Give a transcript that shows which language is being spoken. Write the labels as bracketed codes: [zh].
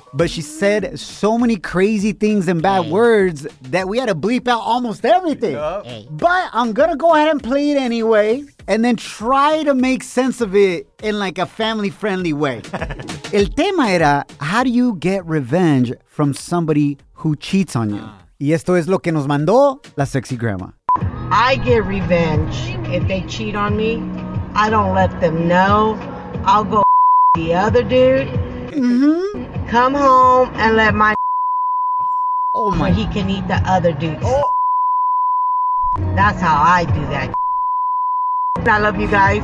[en] But she said so many crazy things and bad words that we had to bleep out almost everything. Yep. But I'm gonna go ahead and play it anyway. And then try to make sense of it in like a family-friendly way. [es] El tema era, [en] how do you get revenge from somebody who cheats on you? [es] Y esto es lo que nos mandó la sexy grandma. [en] I get revenge if they cheat on me. I don't let them know. I'll go the other dude. Mm-hmm. Come home and let my where he can eat the other dudes. Oh. That's how I do that. I love you guys.